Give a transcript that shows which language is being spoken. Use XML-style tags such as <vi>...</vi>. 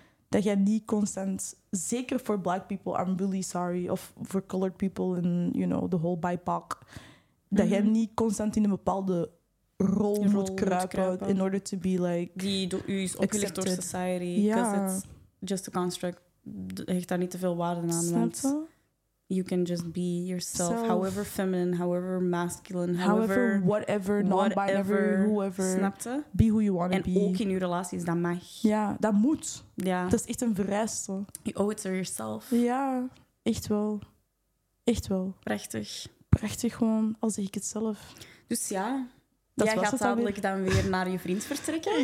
<nl>Dat jij niet constant, zeker voor</nl> <en>black people, I'm really sorry,</en> <nl>of voor</nl> <en>colored people</en> <nl>en,</nl> <en>you know, the whole BIPOC.</en> <nl>Dat jij niet constant in een bepaalde rol moet kruipen</nl> <en>in order to be like...</en> <nl>Die door u is opgelegd door society. Ja.</nl> <en>It's just a construct.</en> <nl>Hecht daar niet te veel waarde aan. Snap je?</nl> <en>You can just be yourself, so, however feminine, however masculine, whatever, non-binary, whatever, whoever.</en> <nl>Snapte?</nl> <en>Be who you want to be.</en> <nl>En ook in je relaties, dat mag. Ja, dat moet. Ja. Dat is echt een vereiste.</nl> <en>You owe it to yourself.</en> <nl>Ja, echt wel. Echt wel. Prachtig. Prachtig gewoon, al zeg ik het zelf. Dus ja, dat jij gaat dadelijk dan weer naar je vriend vertrekken.</nl>